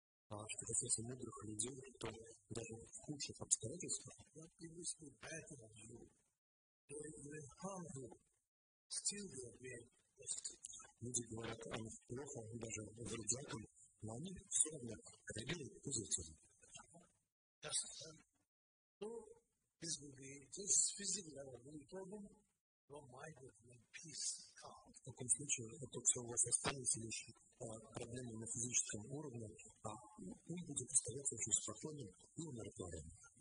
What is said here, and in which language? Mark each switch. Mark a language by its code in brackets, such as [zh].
[ru] А что касается мудрых людей, то даже в худших обстоятельствах люди говорят, о них плохо, даже вредят им, но они все равно реагируют позитивно. [en] So, this will be just physical problem, your mind will be peace, calm. [ru] Так таком случае это все у вас останется лишь проблемой на физическом уровне, а ум будет оставаться очень спокойным и умиротворенным.